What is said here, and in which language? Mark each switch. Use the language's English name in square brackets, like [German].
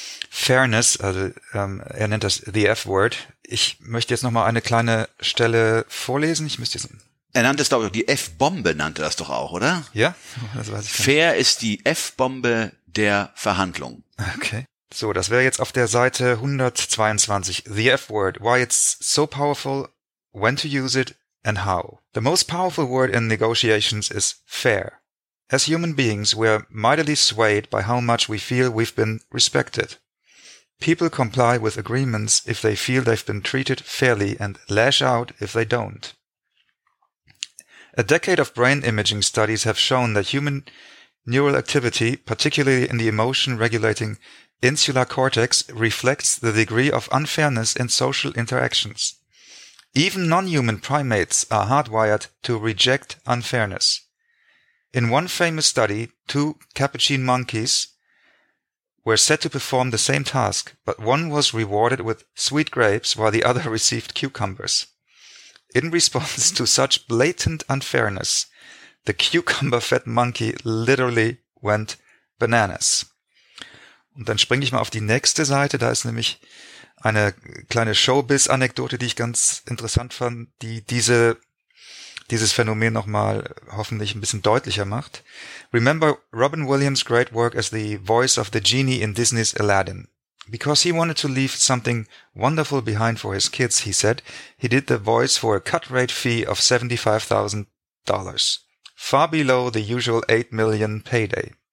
[German] Fairness, also er nennt das the F-Word. Ich möchte jetzt nochmal eine kleine Stelle vorlesen. Ich müsste jetzt. Er nannte es, glaube ich, die F-Bombe nannte das doch auch, oder? Ja, das weiß ich. Fair ist die F-Bombe der Verhandlung. Okay. So, das wäre jetzt auf der Seite 122. [English] The F-Word. Why it's so powerful, when to use it and how. The most powerful word in negotiations is fair. As human beings, we are mightily swayed by how much we feel we've been respected. People comply with agreements if they feel they've been treated fairly and lash out if they don't. A decade of brain imaging studies have shown that human neural activity, particularly in the emotion-regulating insular cortex, reflects the degree of unfairness in social interactions. Even non-human primates are hardwired to reject unfairness. In one famous study, two capuchin monkeys were said to perform the same task, but one was rewarded with sweet grapes while the other received cucumbers. In response to such blatant unfairness, the cucumber-fed monkey literally went bananas. [German] Und dann springe ich mal auf die nächste Seite, da ist nämlich eine kleine Showbiz-Anekdote, die ich ganz interessant fand, die dieses Phänomen nochmal hoffentlich ein bisschen deutlicher macht. [English] Remember Robin Williams' great work as the voice of the genie in Disney's Aladdin. Because he wanted to leave something wonderful behind for his kids, he said, he did the voice for a cut-rate fee of $75,000, far below the usual $8 million payday.